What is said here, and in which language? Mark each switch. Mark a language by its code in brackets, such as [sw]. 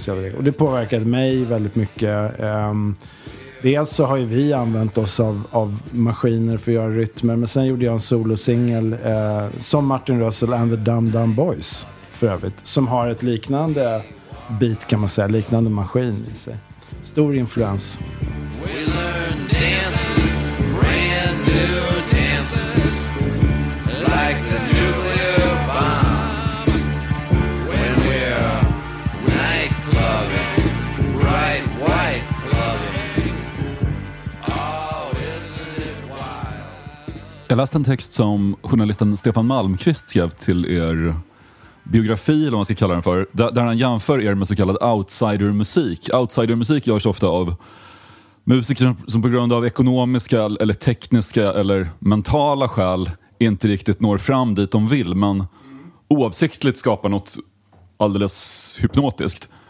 [sv] Och det påverkade mig väldigt mycket. Dels så har ju vi använt oss av maskiner för att göra rytmer. Men sen gjorde jag en solosingel som Martin Russell and the Dumb Dumb Boys. För övrigt, som har ett liknande beat kan man säga, liknande maskin i sig. Stor influens. [en] We learn dances, brand new dances, like the nuclear bomb. When we're night clubbing, bright white clubbing. Oh, isn't it wild? [sv] Jag läste en text som journalisten Stefan Malmqvist skrev till er biografi, eller vad man ska kalla den för, där han jämför er med så kallad outsidermusik. Outsidermusik görs ofta av musiker som på grund av ekonomiska eller tekniska eller mentala skäl inte riktigt når fram dit de vill, men oavsiktligt skapar något alldeles hypnotiskt.